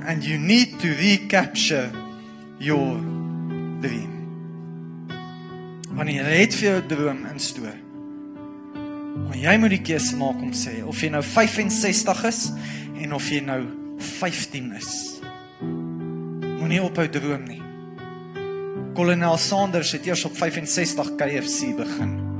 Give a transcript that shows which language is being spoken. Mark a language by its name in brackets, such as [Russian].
[English] And you need to recapture your dream. [Afrikaans] Wanneer jy het vir jou droom instoor, maar jy moet die keuse maak om sê, of jy nou 65 is, en of jy nou 15 is, moet nie ophou droom nie. Kolonel Sanders het eers op 65 KFC begin.